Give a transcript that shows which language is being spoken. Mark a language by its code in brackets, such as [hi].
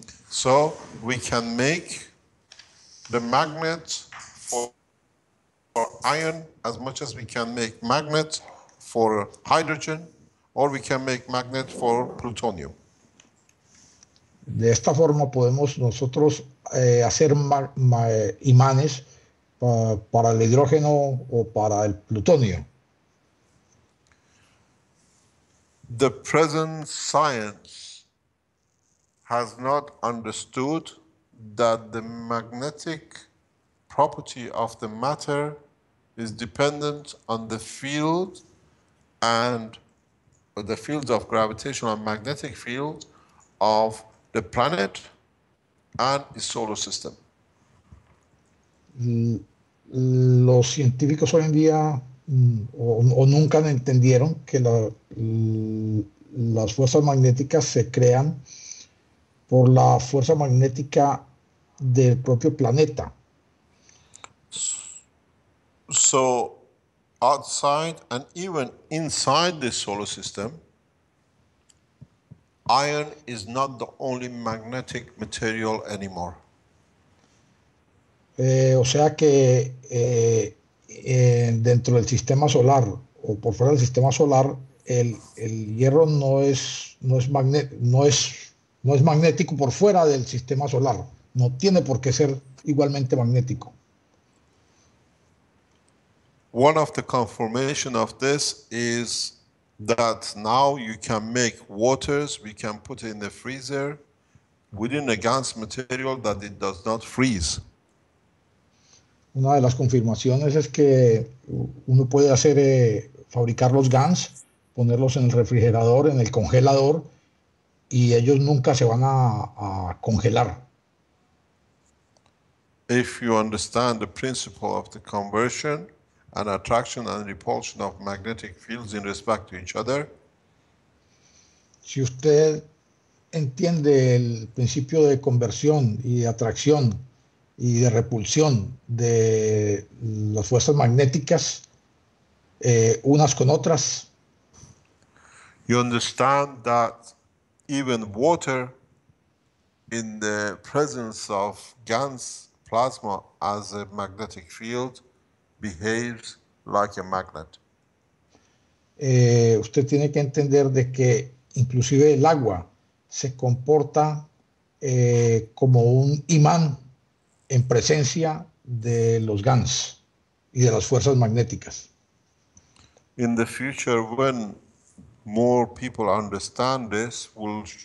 [en] So we can make the magnets for iron as much as we can make magnets for hydrogen, or we can make magnets for plutonium. [es] De esta forma podemos nosotros hacer imanes para el hidrógeno o para el plutonio. [en] The present science has not understood that the magnetic property of the matter is dependent on the field and the fields of gravitational and magnetic field of the planet and the solar system. [es] Los científicos hoy en día o nunca entendieron que las fuerzas magnéticas se crean por la fuerza magnética del propio planeta. [en] So, outside and even inside the solar system, iron is not the only magnetic material anymore. [es] O sea que dentro del sistema solar o por fuera del sistema solar el hierro no es magnético por fuera del sistema solar, no tiene por qué ser igualmente magnético. [en] One of the confirmation of this is that now you can make waters, we can put in the freezer within a GANs material that it does not freeze. [es] Una de las confirmaciones es que uno puede hacer fabricar los GANs, ponerlos en el refrigerador, en el congelador, y ellos nunca se van a congelar. [en] If you understand the principle of the conversion and attraction and repulsion of magnetic fields in respect to each other. [es] Si usted entiende el principio de conversión y de atracción y de repulsión de las fuerzas magnéticas unas con otras. [en] You understand that even water in the presence of GANs plasma as a magnetic field behaves like a magnet. [es] Usted tiene que entender de que inclusive el agua se comporta como un imán en presencia de los GANs y de las fuerzas magnéticas. [en] In the future, when more people understand this, we'll